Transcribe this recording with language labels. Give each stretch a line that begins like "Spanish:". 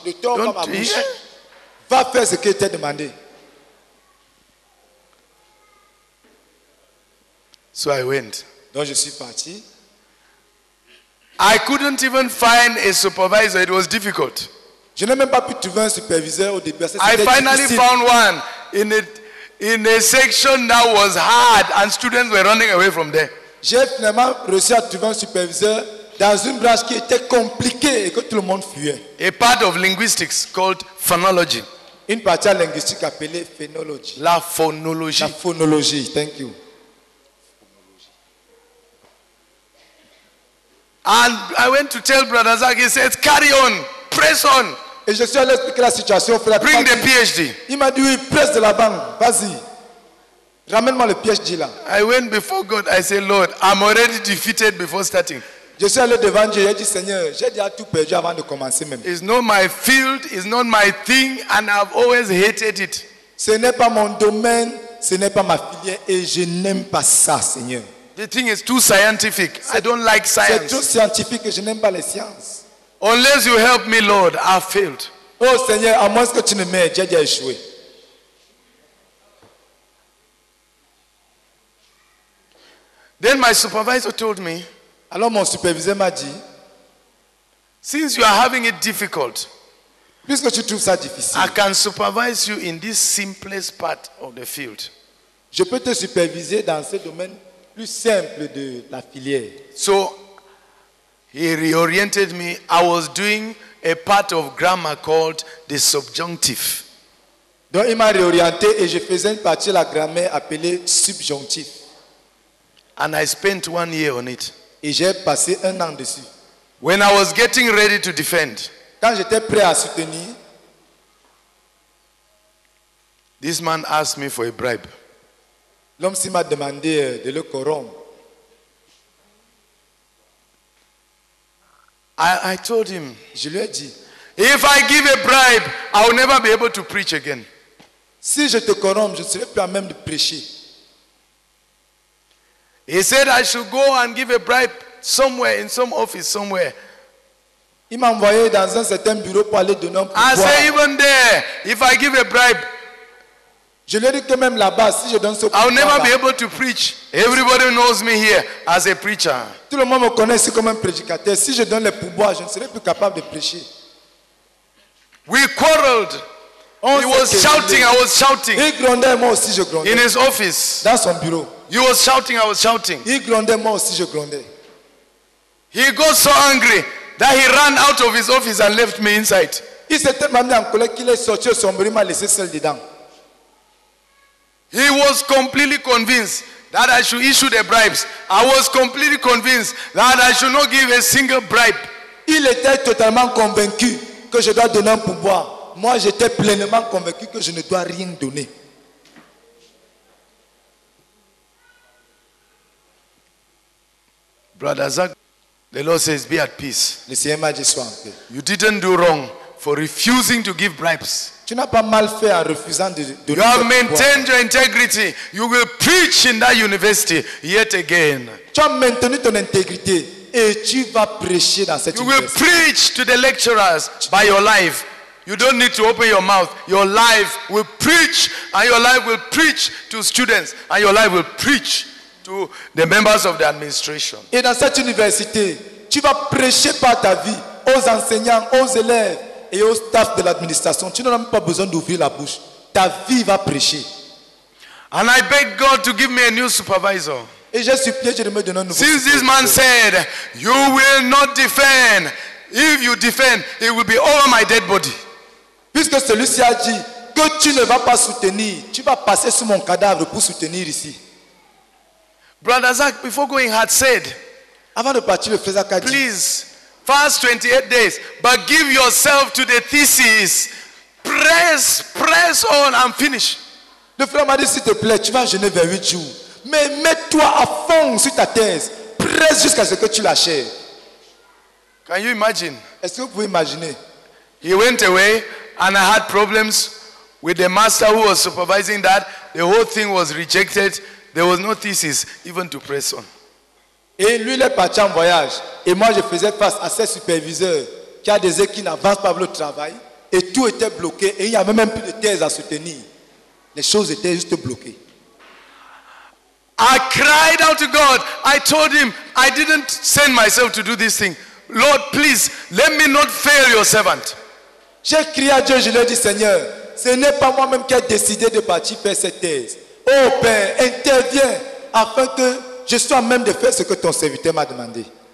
French: Ne tord pas ma bouche. Va faire ce que je t'ai demandé.
English: So I went.
French: Donc je suis parti.
English: I couldn't even find a supervisor. It was difficult.
French: Je n'ai même pas pu trouver un superviseur au début.
English: I finally found one in a section that was hard and students were running away from there.
French: J'ai finalement réussi à trouver un superviseur dans une branche qui était compliquée et que tout le monde fuyait.
English: A part of linguistics called phonology.
French: Une partie de linguistique appelée phonologie. La phonologie. La phonologie.
English: Thank you. And I went to tell Brother Zach, he said, carry on, press on.
French: Et je suis allé expliquer la situation.
English: Bring the PhD.
French: Il m'a dit, oui, presse de la banque, vas-y. Ramène-moi le PhD là.
English: I went before God, I said, Lord, I'm already defeated before starting.
French: Je suis allé devant Dieu, j'ai dit, Seigneur, j'ai déjà tout perdu avant de commencer même.
English: It's not my field, it's not my thing, and I've always hated it.
French: Ce n'est pas mon domaine, ce n'est pas ma filière, et je n'aime pas ça, Seigneur.
English: The thing is too scientific. I don't like science.
French: C'est trop scientifique et je n'aime pas les sciences.
English: Unless you help me, Lord, I failed.
French: Oh Seigneur, à moins que tu ne m'aides, j'ai déjà échoué.
English: Then my supervisor told me.
French: Alors mon superviseur m'a dit.
English: Since you are having it difficult.
French: Puisque tu trouves ça difficile.
English: I can supervise you in this simplest part of the field.
French: Je peux te superviser dans ce domaine plus simple de la filière.
English: So, he reoriented me. I was doing a part of grammar called the subjonctif.
French: Donc, il m'a réorienté et je faisais une partie de la grammaire appelée subjonctif.
English: And I spent 1 year on it.
French: Et j'ai passé un an dessus.
English: When I was getting ready to defend,
French: quand j'étais prêt à soutenir,
English: this man asked me for a bribe.
French: L'homme s'il m'a demandé de le corrompre.
English: I told him,
French: je lui ai dit,
English: if I give a bribe, I will never be able to preach again.
French: Si je te corromps, je ne serai plus à même de prêcher.
English: He said I should go and give a bribe somewhere, in some office somewhere.
French: Il m'a envoyé dans un certain bureau pour aller donner un
English: pourboire. I said even there, if I give a bribe,
French: Je leur dis que même là-bas, si je donne ce
English: I'll never be able to preach. Everybody knows me here as a preacher.
French: Tout le monde me connaît ici comme un prédicateur. Si je donne le pourboire, je ne serai plus capable de prêcher.
English: We quarreled. He was shouting, I was shouting.
French: Il grondait, moi aussi je grondais.
English: In his office.
French: Dans son bureau.
English: He was shouting, I was shouting.
French: Il grondait, moi aussi je grondais.
English: He got so angry that he ran out of his office and left me inside.
French: Il s'est tellement mis en colère qu'il est sorti de son bureau et m'a laissé seul dedans.
English: He was completely convinced that I should issue the bribes. I was completely convinced that I should not give a single bribe.
French: Il était totalement convaincu que je dois donner un pourboire. Moi, j'étais pleinement convaincu que je ne dois rien donner.
English: Brother Zach, the Lord says, be at peace.
French: Le Seigneur m'a dit, sois en paix.
English: You didn't do wrong for refusing to give bribes.
French: Tu n'as pas mal fait en refusant de donner.
English: You have maintained your integrity. You will preach in that university yet again.
French: Tu as maintenu ton intégrité et tu vas prêcher dans cette
English: université. You will preach to the lecturers by your life. You don't need to open your mouth. Your life will preach, and your life will preach to students, and your life will preach to the members of the administration.
French: Et dans cette université, tu vas prêcher par ta vie aux enseignants, aux élèves et au staff de l'administration. Tu n'auras même pas besoin d'ouvrir la bouche. Ta vie va prêcher.
English: And I beg God to give me a new supervisor.
French: Et je supplie Dieu de me donner un nouveau.
English: Since this man said, you will not defend. If you defend, it will be over my dead body.
French: Puisque celui-ci a dit que tu ne vas pas soutenir, tu vas passer sous mon cadavre pour soutenir ici.
English: Brother Zach, before going, had said,
French: avant de partir, le frère Zach a dit,
English: please, fast 28 days, but give yourself to the thesis. Press on and finish.
French: Le frère m'a dit, s'il te plaît, tu vas jeûner vers 8 jours. Mais mets-toi à fond sur ta thèse. Presse jusqu'à ce que tu l'achèves.
English: Can you imagine?
French: Est-ce que vous pouvez imaginer?
English: He went away and I had problems with the master who was supervising that. The whole thing was rejected. There was no thesis even to press on.
French: Et lui, il est parti en voyage. Et moi, je faisais face à ce superviseur qui a des équipes qui n'avancent pas pour le travail. Et tout était bloqué. Et il n'y avait même plus de thèse à soutenir. Les choses étaient juste bloquées.
English: I cried out to God. I told him, I didn't send myself to do this thing. Lord, please, let me not fail your servant.
French: J'ai crié à Dieu, je lui ai dit, Seigneur, ce n'est pas moi-même qui ai décidé de partir faire cette thèse. Oh Père, interviens afin que je sois même de faire ce que ton serviteur m'a demandé.